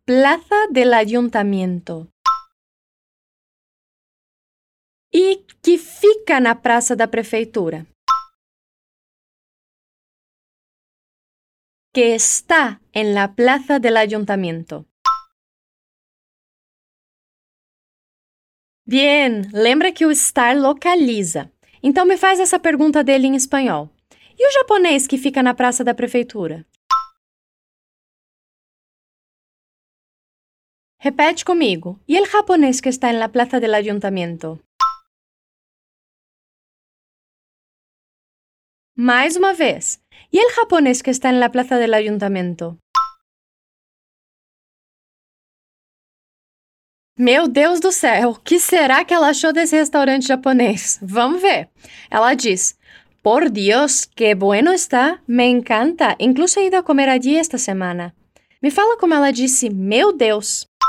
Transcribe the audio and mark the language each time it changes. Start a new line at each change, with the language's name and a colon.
Spanish: Plaza del Ayuntamiento.
Portuguese: E que fica na Praça da Prefeitura?
Spanish: Que está en la plaza del ayuntamiento.
Portuguese: Bien, lembra que o estar localiza. Então me faz essa pergunta dele em espanhol. E o japonês que fica na praça da prefeitura? Repete comigo.
Spanish: E el japonês que está en la plaza del ayuntamiento?
Portuguese: Mais uma vez.
Spanish: E el japonês que está en la plaza del ayuntamiento?
Portuguese: Meu Deus do céu, que será que ela achou desse restaurante japonês? Vamos ver. Ela diz,
Spanish: por Dios, que bueno está, me encanta, incluso he ido a comer allí esta semana.
Portuguese: Me fala como ela disse, meu Deus.